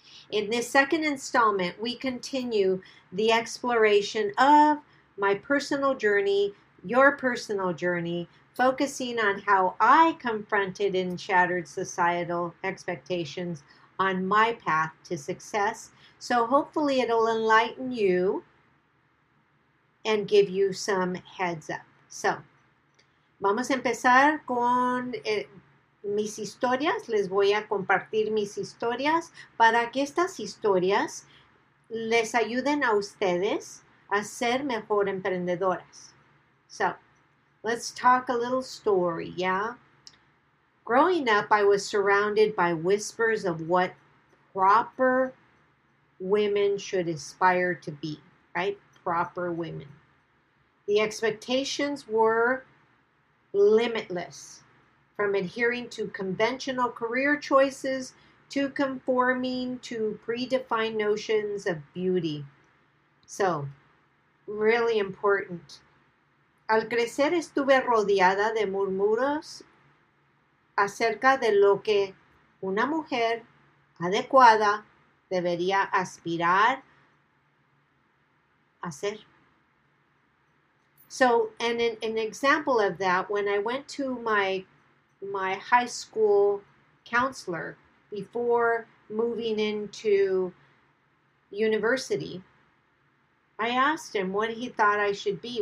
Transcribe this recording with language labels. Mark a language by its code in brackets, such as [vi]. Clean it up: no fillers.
[en] In this second installment, we continue the exploration of my personal journey, your personal journey, focusing on how I confronted and shattered societal expectations on my path to success. So hopefully it'll enlighten you and give you some heads up. So, [es] vamos a empezar con mis historias, les voy a compartir mis historias para que estas historias les ayuden a ustedes a ser mejor emprendedoras. [en] So, let's talk a little story, yeah? Growing up, I was surrounded by whispers of what proper women should aspire to be, right? Proper women. The expectations were limitless, from adhering to conventional career choices to conforming to predefined notions of beauty. So, really important. [es] Al crecer estuve rodeada de murmuros acerca de lo que una mujer adecuada debería aspirar a ser. [en] So, and an example of that, when I went to my high school counselor before moving into university, I asked him what he thought I should be.